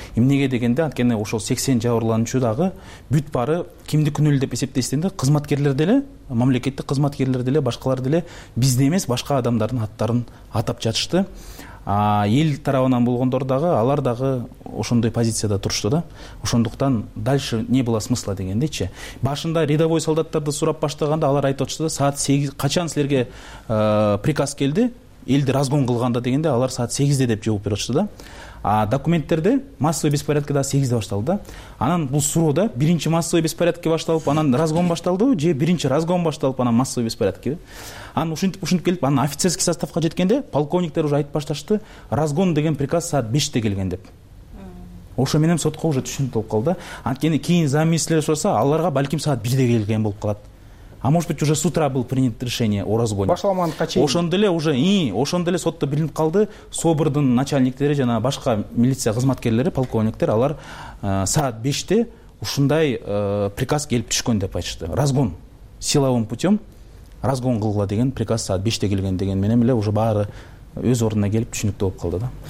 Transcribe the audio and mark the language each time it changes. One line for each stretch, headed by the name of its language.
Kyrgyz: Эмнеге дегенде, анткени ошол 80 жабырлануучу дагы бүт бары кимди күнөөлүү деп эсептесең да, кызматкерлер деле, мамлекеттик кызматкерлер деле, башкалар деле бизди эмес, башка адамдардын аттарын атап жатышты. Эл тарабынан болгондор дагы алар дагы ошондой позицияда турушту да. Ошондуктан
Russian: дальше не было смысла
Kyrgyz: дегендечи. Башында рядовой солдаттарды сурап баштаганда алар айтып атышты да, саат 8 качан силерге приказ келди элди разгон кылганда дегенде алар саат 8 деп жооп берип атышты да. Документтерде массовый беспорядки дагы 8 башталды да. Анан бул суроо да, биринчи массовый беспорядки башталып анан разгон башталдыбы же биринчи разгон башталып анан массовый беспорядкиби? Анан ушинтип келип анан офицерский составка жеткенде полковниктер уже айтып башташты, разгон деген приказ саат 5 келген деп. Ошо менен сотко уже түшүнүлүп калды. Анткени кийин замминистрлер сурса аларга балким саат 1 келген болуп калат.
Russian: А может быть уже с утра был принят решение о разгоне.
Kyrgyz: Башламанка чейин. Ошондо эле уже ошондо эле сотто билинип калды. Собордун начальниктери жана башка милиция кызматкерлери, полковниктер алар саат 5 ушундай приказ келип түшкөн деп айтышты. Разгон
Russian: силовым путём
Kyrgyz: разгон кылгыла деген приказ саат 5 келген деген менен эле уже баары өз ордуна келип түшүнүктүү болуп калды да.